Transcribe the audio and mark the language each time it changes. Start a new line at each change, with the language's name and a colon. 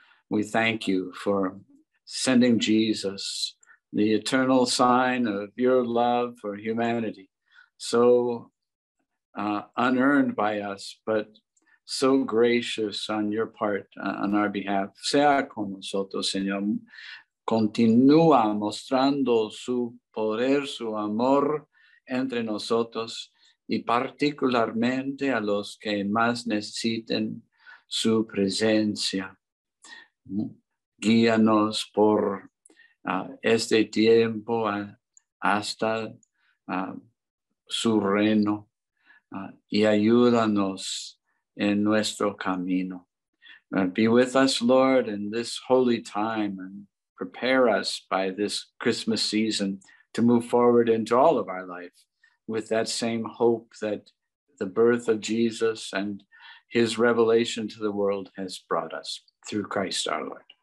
English: We thank you for sending Jesus, the eternal sign of your love for humanity, so unearned by us, but so gracious on your part, on our behalf.
Spanish: Sea con nosotros, Señor. Continúa mostrando su poder, su amor entre nosotros, y particularmente a los que más necesiten su presencia. Guíanos por este tiempo hasta su reino y ayúdanos en nuestro camino.
English: Be with us, Lord, in this holy time, and prepare us by this Christmas season to move forward into all of our life with that same hope that the birth of Jesus and his revelation to the world has brought us through Christ our Lord.